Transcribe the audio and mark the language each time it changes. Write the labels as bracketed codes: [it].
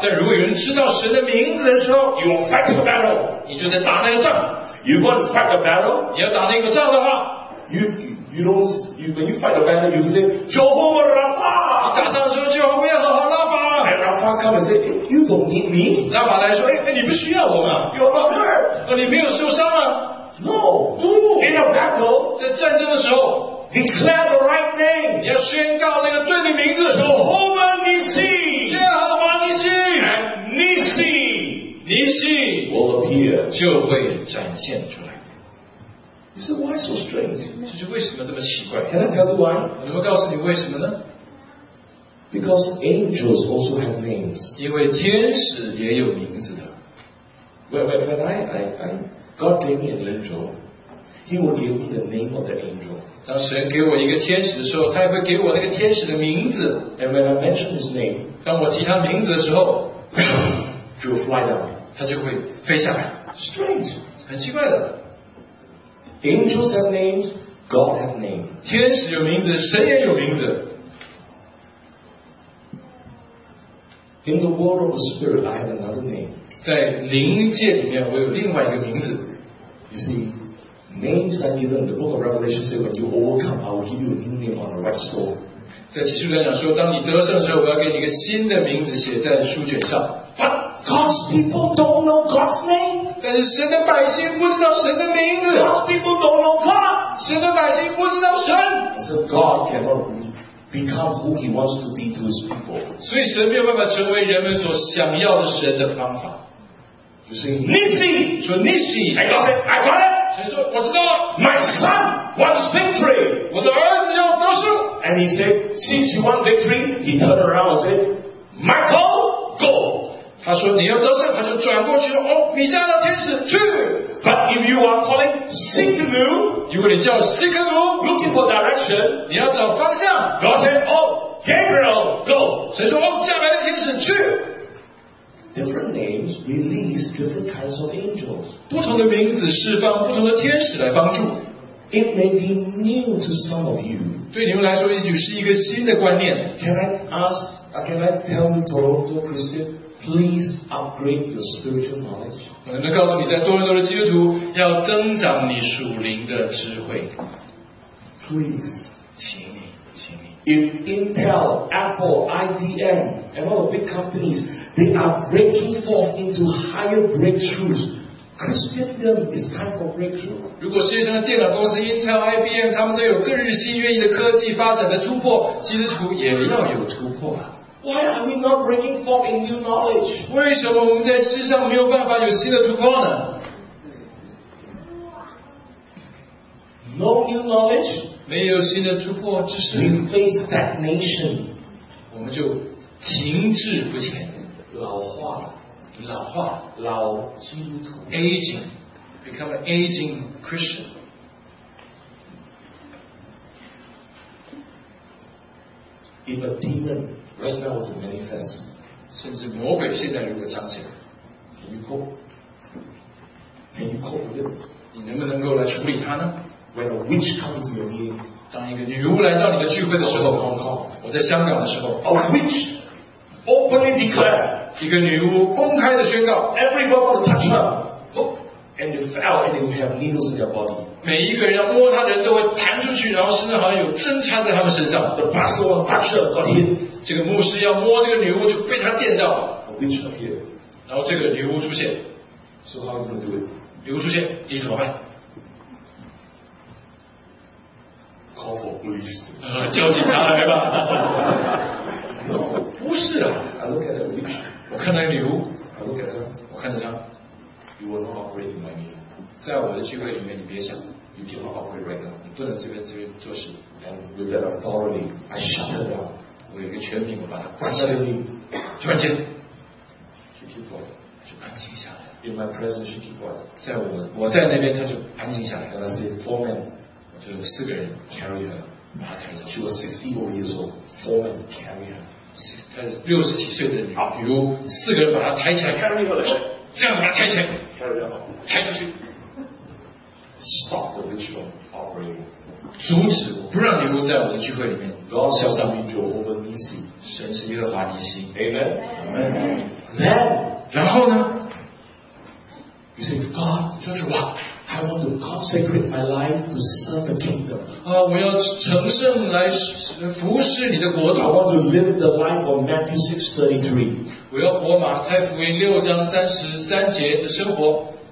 [zh] 但如果有人知道神的名字的时候， [en] You will fight the battle. [zh] 你就得打那个仗。 [en] You want to fight the battle? [zh] 你要打那个仗的话， [en] You when you fight the battle, you say Jehovah Rapha. [zh] 你打仗的时候就要耶和华拉法。 [en] And Rapha come and say, You don't need me. [zh] 拉法来说，哎，你不需要我吗？ [en] You are not hurt. [zh] 那你没有受伤啊？ [en] No, no. In a battle, [zh] 在战争的时候 [en] ，declare the right name. [zh] 你要宣告那个对的名字。 [en] Jehovah Nissi. [zh] 耶和华尼西。 [en] And Nissi. Nissi will appear. [zh] 就会展现出来。 [en] He said, Why so strange? [zh] 这是为什么这么奇怪 [en] ？Can I tell you why? [zh] 我能够告诉你为什么呢 [en] ？Because angels also have names. [zh] 因为天使也有名字的。 [en] When I God gave me an angel, He will give me the name of the angel. [zh] 当神给我一个天使的时候，他也会给我那个天使的名字。 [en] And when I mention his name, [zh] 当我提他名字的时候 [en] ，He will fly down. [zh] 他就会飞下来。 [en] Strange, [zh] 很奇怪的。 [en] Angels have names, God has name. [zh] 天使有名字，神也有名字。 [en] In the world of the spirit, I have another name. [zh] 在灵界里面，我有另外一个名字。 [en] You see, names are given. The book of Revelation says, "When you overcome, I will give you a new name on the white stone." [zh] 在启示录讲说，当你得胜的时候，我要给你一个新的名字写在书卷上。 [en] But God's people don't know God's name. [zh] 但是神的百姓不知道神的名字。 [en] God's people don't know God. [zh] 神的百姓不知道神。 [en] So God cannot become who He wants to be to His people. [zh] 所以神没有办法成为人们所想要的神的方法。 [en] You say Nissi. [zh] 说 Nissi. [en] And God said, I got it. [zh] 神说我知道了。 [en] My son wants victory. [zh] 我的儿子要得胜。 [en] And He said, since you want victory, He turned around and said, Michael, go. [zh] 他说你要得胜，他就转过去说哦，米迦勒天使去。 [en] But if you are calling Sycamore, [zh] 如果你叫 Sycamore, [en] looking for direction, [zh] 你要找方向。 [en] God said, Oh, Gabriel, go. [zh] 谁说哦，加百列天使去。 [en] Different names release different kinds of angels. [zh] 不同的名字释放不同的天使来帮助。 [en] It may be new to some of you. [zh] 对你们来说，也许是一个新的观念。 [en] Can I tell you, Toronto Christian? Please upgrade your spiritual knowledge. [zh] 我能告诉你，在多伦多的基督徒要增长你属灵的智慧。 [en] Please, [zh] 请你。 [en] If Intel, Apple, IBM, and all the big companies, they are breaking forth into higher breakthroughs. Christendom is time for breakthrough. [zh] 如果世界上的电脑公司 Intel, IBM, 他们都有更日新月异的科技发展的突破，基督徒也要有突破啊。 [en] Why are we not breaking forth in new knowledge? [zh] 为什么我们在世上没有办法有新的突破呢？ [en] No new knowledge. [zh] 没有新的突破，只是 [en] we face stagnation. [zh] 我们就停滞不前，老化老化，老基督徒 [en] aging， become an aging Christian。 If a demon right now to manifest， [zh] 甚至魔鬼现在如果彰显， [en] Can you cope？ Can you cope with it？ [zh] 你能不能够来处理它呢？ [en] When a witch comes to your meeting， [zh] 当一个女巫来到你的聚会的时候， [en] Hong Kong， [zh] 我在香港的时候， [en] A witch openly declare， [zh] 一个女巫公开的宣告 [en] ，Everyone want to touch her, and you fell, and you have needles in your body。 [zh] 每一个人要摸她的人都会弹出去，然后身上好像有针插在他们身上。 [en] The pastor want to touch her, got hit。 [zh] 这个牧师要摸这个女巫就被她电到。 [en] A witch appeared。 [zh] 然后这个女巫出现。 [en] So how are you going to do it？ [zh] 女巫出现，你怎么办 [en] ？Call for police。 [zh] 叫警察来吧。 [en] No， [zh] 不是啊。 [en] I look at the witch。 [zh] 我看到女巫， [en] I look at her， [zh] 我看着她。 [en] You will not operate in my meeting， [zh] 在我的聚会里面，你别想。 [en] You cannot operate right now， [zh] 你不能这边做事。 [en] And with that authority， I shut her down。 [zh] 我有一个权柄，我把她关起来。突然间， [en] she keep quiet， [zh] 就安静下来。 [en] In my presence， she keep quiet， [zh] 在我在那边，她就安静下来。 [en] And I say four men， [zh] 我就有四个人 [en] carry her， [zh] 把她抬走。 [en] She was 64 years old， four men carry her。 [zh] 六十几岁的女巫，比如四个人把她抬起来，这样子把她抬起来，抬出去。 [en] Stop the witch from operating， [zh] 阻止我，不让女巫在我的聚会里面。 [en] God shall be Jehovah Nissi， [zh] 神是耶和华尼西。 [en] Amen。 Amen。 Then， [zh] 然后呢 [en] ？You say God， [zh] 说主啊。 [en] I want to consecrate my life to serve the kingdom. [zh] 我要成圣来服侍你的国度。 [en] I want to live the life of Matthew 6:33. [zh] 我要活马太福音六章三十三节的生活。